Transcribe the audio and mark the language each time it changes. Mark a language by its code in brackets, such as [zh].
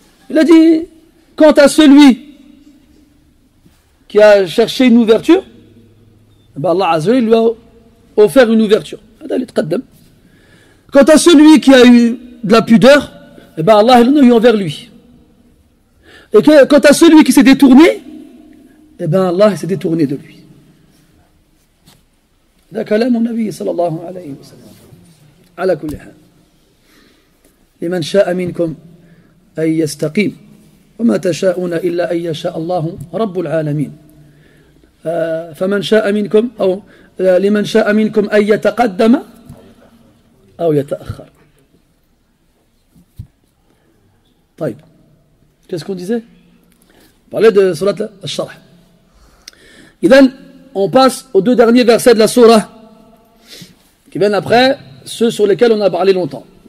[fr] Il a dit, quant à celui qui a cherché une ouverture, ben Allah Azza wa Jalla lui a offert une ouverture. Quant à celui qui a eu de la pudeur, ben Allah l'en a eu envers lui. Et quant à celui qui s'est détourné, ben Allah s'est détourné de lui. D'accord, mon avis, sallallahu alayhi wa sallam. [ar] على كل حال لمن شاء منكم أن يستقيم وما تشاءون إلا أن يشاء الله رب العالمين فمن شاء منكم أو لمن شاء منكم أن يتقدم أو يتأخر. [fr] طيب qu'est-ce qu'on disait? On parlait de surat al-Sharh. إذن on passe aux deux derniers versets de la surah qui viennent après ceux sur lesquels on a parlé longtemps.